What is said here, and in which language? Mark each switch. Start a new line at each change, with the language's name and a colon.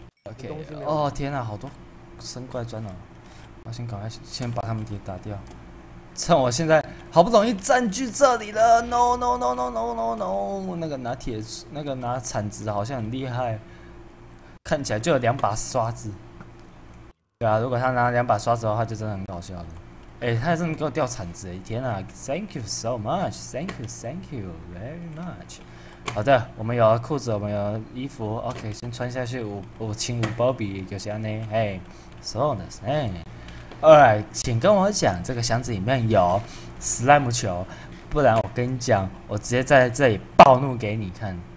Chinese: OK， 哦天哪，好多神怪砖呢，我先赶快先把他们给打掉，趁我现在。好不容易占据这里了 ，
English: no no no no no no no，
Chinese: 那个拿铁那个拿铲子好像很厉害，看起来就有两把刷子。对啊，如果他拿两把刷子的话，就真的很搞笑了。哎，他还真的给我掉铲子，天啊 ！
English: Thank you so much， thank you very much。
Chinese: 好的，我们有裤子，我们有衣服 ，OK， 先穿下去。我请我包比就是安内，哎 ，
English: so nice，
Chinese: 哎 ，
English: Alright，
Chinese: 请跟我讲这个箱子里面有。史莱姆球，不然我跟你讲，我直接在这里暴怒给你看。